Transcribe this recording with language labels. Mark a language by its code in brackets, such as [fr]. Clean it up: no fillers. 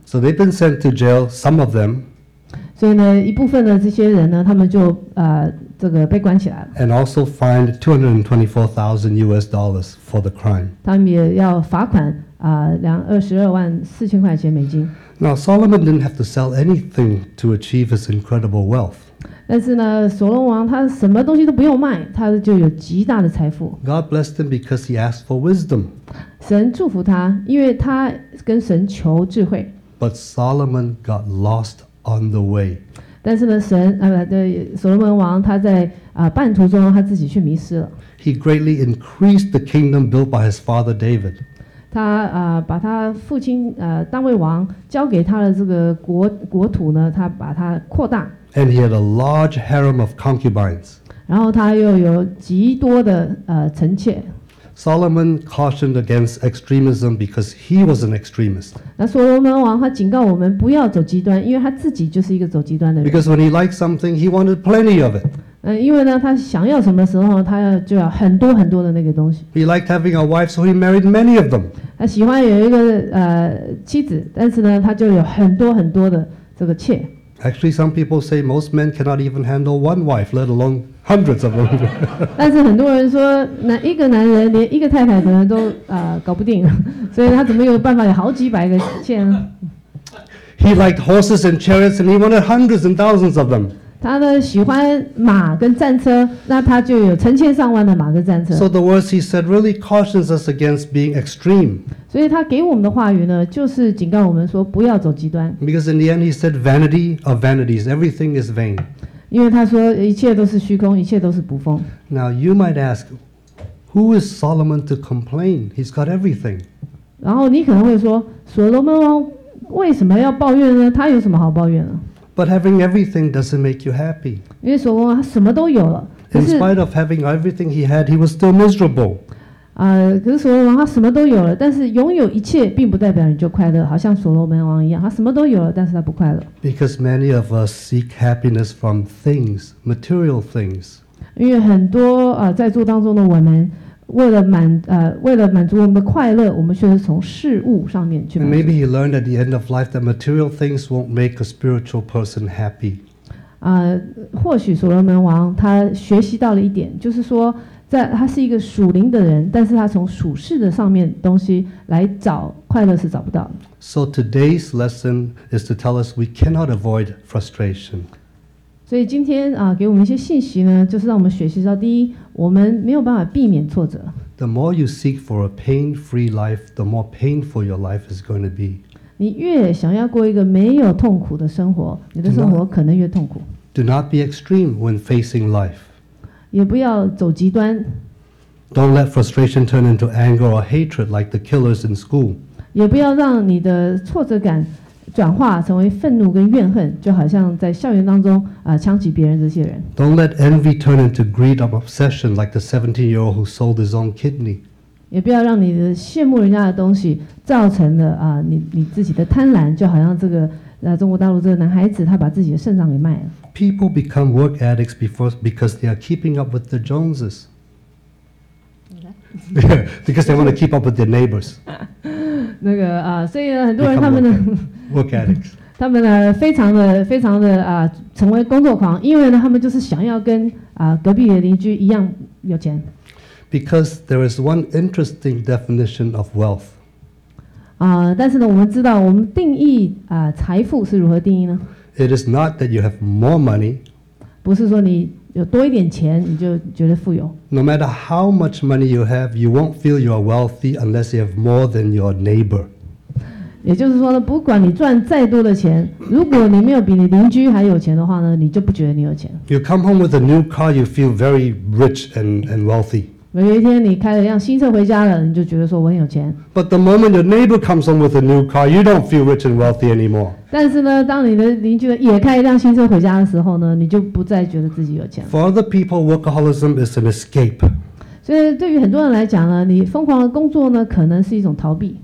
[en] So they've been sent to jail, some of them [zh] 所以呢一部分的这些人呢他们就、这个被关起来了 [en] And also fined $224,000 for the crime [zh] 他们也要罚款、$224,000 [en] Now Solomon didn't have to sell anything to achieve his incredible wealth [zh] 但是呢，所罗王他什么东西都不用卖，他就有极大的财富。 [en] God blessed him because he asked for wisdom. [zh] 神祝福他，因为他跟神求智慧。 [en] But Solomon got lost on the way. [zh] 但是呢，所罗门王他在、半途中他自己却迷失了。 [en] He greatly increased the kingdom built by his father David. [zh] 他、把他父亲、大卫王交给他的这个 国土呢，他把它扩大。 [en] And he had a large harem of concubines. [zh] 然后他又有极多的、臣妾。 [en] Solomon cautioned against extremism because he was an extremist. [zh] 那所罗门王他警告我们不要走极端，因为他自己就是一个走极端的人。 [en] Because when he liked something, he wanted plenty of it. [zh] 因为呢，他想要什么时候，他就要很多很多的那个东西。 [en] He liked having a wife, so he married many of them. [zh] 他喜欢有一个、妻子，但是呢，他就有很多很多的这个妾。 [en] Actually, some people say most men cannot even handle one wife, let alone hundreds of them. [zh] 但是很多人说，一个男人连一个太太可能都、搞不定，所以他怎么有办法有好几百个妾呢 [en] ？He liked horses and chariots, and he wanted hundreds and thousands of them. [zh] 他呢喜欢马跟战车，那他就有成千上万的马跟战车。 [en] So the words he said really cautions us against being extreme. [zh] 所以他给我们的话语呢就是警告我们说不要走极端 [en] Because in the end he said vanity of vanities Everything is vain [zh] 因为他说一切都是虚空一切都是捕风 [en] Now you might ask Who is Solomon to complain? He's got everything [zh] 然后你可能会说所罗门王为什么要抱怨呢他有什么好抱怨呢 [en] But having everything doesn't make you happy [zh] 因为所罗门王他什么都有了 [en] In spite of having everything he had He was still miserable [zh] 可是所罗门他什么都有了，但是拥有一切并不代表你就快乐，好像所罗门王一样，他什么都有了，但是他不快乐。 [en] Because many of us seek happiness from things, material things. [zh] 因为很多在座当中的我们，为了满足我们的快乐，我们却是从事物上面去满足。 [en] And maybe you learned at the end of life that material things won't make a spiritual person happy. [zh] 或许所罗门王他学习到了一点，就是说。在他是一个属灵的人，但是他从属世的上面东西来找快乐是找不到的。 [en] So today's lesson is to tell us we cannot avoid frustration. [zh] 所以今天给我们一些信息呢，就是让我们学习到第一，我们没有办法避免挫折。 [en] The more you seek for a pain-free life, the more painful your life is going to be. [zh] 你越想要过一个没有痛苦的生活，你的生活可能越痛苦。 [en] Do not be extreme when facing life. [zh] 也不要走极端。 [en] Don't let frustration turn into anger or hatred like the killers in school. [zh] 也不要让你的挫折感转化成为愤怒跟怨恨，就好像在校园当中枪击别人这些人。 [en] Don't let envy turn into greed or obsession like the 17-year-old who sold his own kidney. [zh] 也不要让你的羡慕人家的东西造成了你自己的贪婪，就好像这个中国大陆这个男孩子他把自己的肾脏给卖了。 [en] People become work addicts because they are keeping up with the Joneses. because they want to keep up with their neighbors. [zh] 那个所以呢，很多人他们呢 [en] work addicts. [zh] 他们呢，非常的成为工作狂，因为呢，他们就是想要跟隔壁的邻居一样有钱。 [en] Because there is one interesting definition of wealth. [zh] 但是呢，我们知道我们定义财富是如何定义呢？ [en] It is not that you have more money. [zh] 不是说你有多一点钱你就觉得富有。 [en] No matter how much money you have, you won't feel you are wealthy unless you have more than your neighbor. [zh] 也就是说呢，不管你赚再多的钱，如果你没有比你邻居还有钱的话呢，你就不觉得你有钱。 [en] You come home with a new car, you feel very rich and wealthy. [zh] 有一天你开了一辆新车回家了，你就觉得说我很有钱。 [en] But the moment your neighbor comes home with a new car, you don't feel rich and wealthy anymore. [zh] 但是呢，当你的邻居也开一辆新车回家的时候呢，你就不再觉得自己有钱了。 [en] For other people, workaholism is an escape. [zh] 所以对于很多人来讲呢，你疯狂的工作呢，可能是一种逃避。